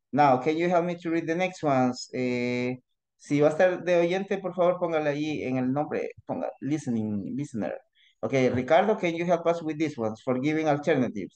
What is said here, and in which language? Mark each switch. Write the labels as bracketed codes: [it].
[en] Now, can you help me to read the next ones? [es] Si va a estar de oyente, por favor, póngale ahí en el nombre. Ponga, listener. [en] Okay, Ricardo, can you help us with these ones for giving alternatives?